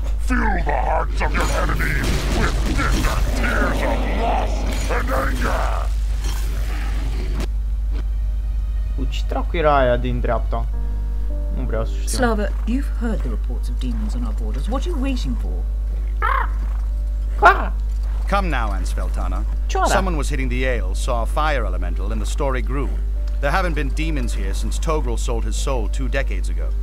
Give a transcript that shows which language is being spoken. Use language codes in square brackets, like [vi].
[en] Fill the hearts of your enemies with bitter tears of loss and anger. [ro] Ce dracu era aia din dreapta? Nu vreau să știu. [en] Slava, you've heard the reports of demons on our borders. What are you waiting for? Come now, Ansveltana. Someone was hitting the ale, saw a fire elemental, and the story grew. There haven't been demons here since Togrel sold his soul 2 decades ago.